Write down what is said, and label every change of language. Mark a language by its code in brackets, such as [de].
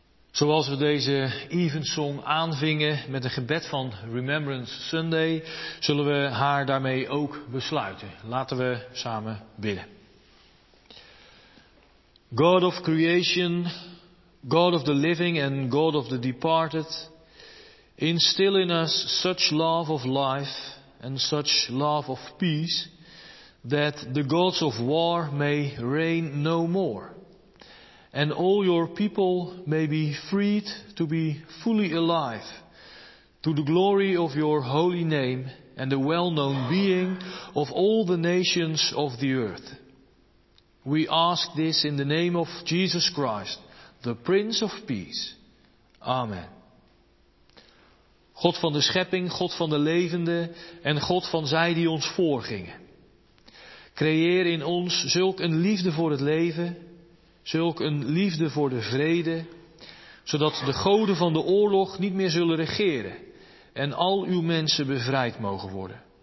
[nl] Zoals we deze Evensong aanvingen met een gebed van Remembrance Sunday, zullen we haar daarmee ook besluiten. Laten we samen bidden. [en] God of creation, God of the living and God of the departed, instill in us such love of life and such love of peace, that the gods of war may reign no more, and all your people may be freed to be fully alive to the glory of your holy name and the well-known being of all the nations of the earth. We ask this in the name of Jesus Christ, the Prince of Peace. Amen. [nl] God van de schepping, God van de levende en God van zij die ons voorgingen, creëer in ons zulk een liefde voor het leven, zulk een liefde voor de vrede, zodat de goden van de oorlog niet meer zullen regeren en al uw mensen bevrijd mogen worden.